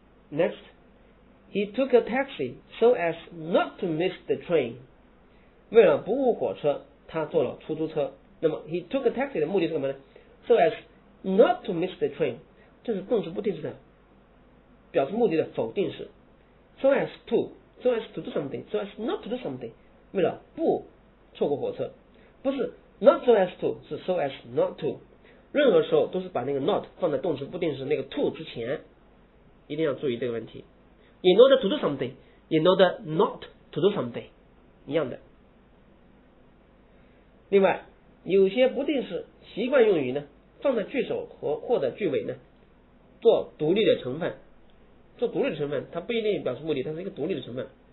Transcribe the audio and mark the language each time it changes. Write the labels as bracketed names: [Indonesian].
[English] Next， He took a taxi so as not to miss the train。 [Chinese] 为了不误火车他坐了出租车。那么 He took a taxi 的目的是什么呢？ So as not to miss the train，这是动词不定式的表示目的的否定式。 [English] So as to， So as to do something， So as not to do something，为了不错过火车，不是 not so as to，是 so as not to。 [Chinese] 任何时候都是把那个 not 放在动词不定式那个 to 之前，一定要注意这个问题。 [English] In order to do something， In order not to do something， 一样的。 [Chinese] 另外有些不定式习惯用于呢放在句首和或者句尾呢做独立的成分，做独立的成分，它不一定表示目的，它是一个独立的成分。